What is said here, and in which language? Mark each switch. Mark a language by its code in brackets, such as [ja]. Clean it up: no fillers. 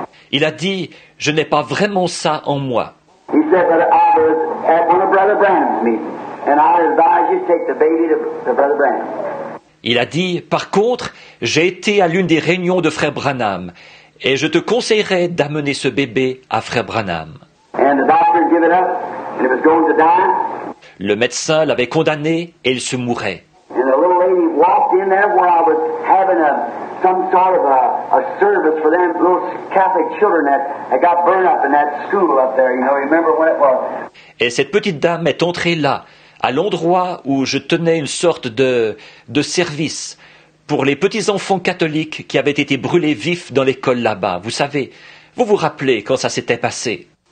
[fr] Il a dit, je n'ai pas vraiment ça en moi. [en] He said that I was at one of Brother Brown's meetings, and I advised take the baby to Brother Branham. [fr] Il a dit, par contre, j'ai été à l'une des réunions de Frère Branham et je te conseillerais d'amener ce bébé à Frère Branham. [en] And the doctor had given up and it was going to die. [fr] Le médecin l'avait condamné et il se mourait. [en] And the little lady walked in there while I was having some sort of a service for them little Catholic children that got burned up in that school up there. You know, remember when it was? [fr] Et cette petite dame est entrée là, à l'endroit où je tenais une sorte de service pour les petits enfants catholiques qui avaient été brûlés vifs dans l'école là-bas. Vous savez, vous vous rappelez quand ça s'était passé.